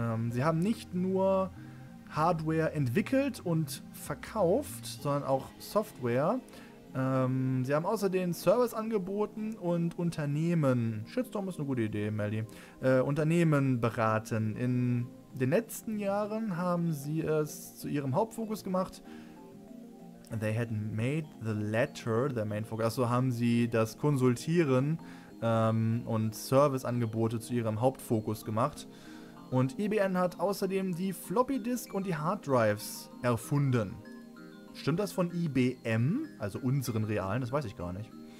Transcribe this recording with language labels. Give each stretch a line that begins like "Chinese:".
German: Sie haben nicht nur Hardware entwickelt und verkauft, sondern auch Software. Sie haben außerdem Service angeboten und Unternehmen, Shitstorm ist eine gute Idee, Melly, Unternehmen beraten. In den letzten Jahren haben sie es zu ihrem Hauptfokus gemacht.
English: They had made the latter their main focus.
German: Also haben sie das Konsultieren und Serviceangebote zu ihrem Hauptfokus gemacht. Und IBM hat außerdem die Floppy Disk und die Hard Drives erfunden. Stimmt das von IBM? Also unseren realen? Das weiß ich gar nicht.